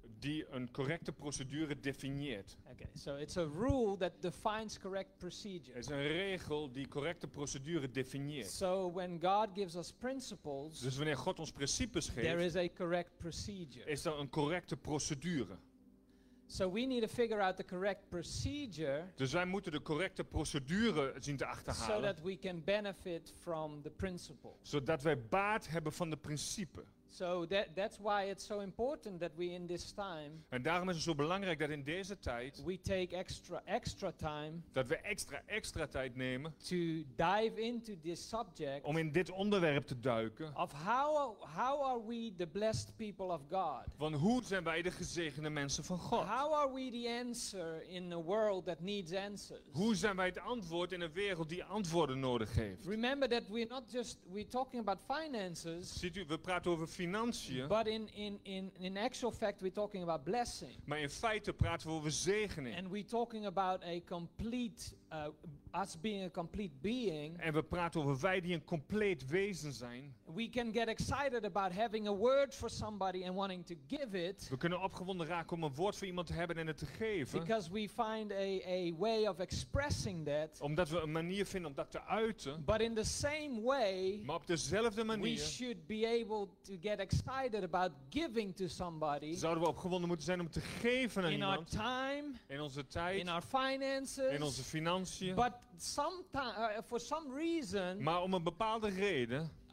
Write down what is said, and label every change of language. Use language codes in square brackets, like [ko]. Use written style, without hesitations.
[nl] die een correcte procedure definieert. [en] Okay, so it's a rule that defines correct procedure. [nl] Het is een regel die correcte procedure definieert. [en] So when God gives us principles, [nl] dus wanneer God ons principes geeft, [en] there is a correct procedure. [nl] Is er een correcte procedure? [en] So we need to figure out the correct procedure. [nl] Dus wij moeten de correcte procedure zien te achterhalen. [en] So that we can benefit from the principle. [nl] Zodat wij baat hebben van de principe. [en] So that's why it's so important that we in this time. [nl] En daarom is het zo belangrijk dat in deze tijd. [en] We take extra time. [nl] Dat we extra tijd nemen. [en] To dive into this subject. [nl] Om in dit onderwerp te duiken. [en] Of how are we the blessed people of God? [nl] Van hoe zijn wij de gezegende mensen van God? [en] How are we the answer in a world that needs answers? [nl] Hoe zijn wij het antwoord in een wereld die antwoorden nodig heeft? [en] Remember that we're talking about finances. [nl] Ziet u, we praten over financiën. [en] But in actual fact we're talking about blessing. [nl] Maar in feite praten we over zegening. [en] And we're talking about a complete us being a complete being. [nl] En we praten over wij die een compleet wezen zijn. [en] We can get excited about having a word for somebody and wanting to give it. [nl] We kunnen opgewonden raken om een woord voor iemand te hebben en het te geven. [en] Because we find a way of expressing that. [nl] Omdat we een manier vinden om dat te uiten. [en] But in the same way. [nl] Maar op dezelfde manier. [en] We should be able to get excited about giving to somebody. [nl] Zouden we opgewonden moeten zijn om te geven aan [en] in [nl] iemand. [en] In our time. [nl] In onze tijd. [en] In our finances. [nl] In onze financiën. [en] But for some reason. [nl] Maar om een bepaalde reden.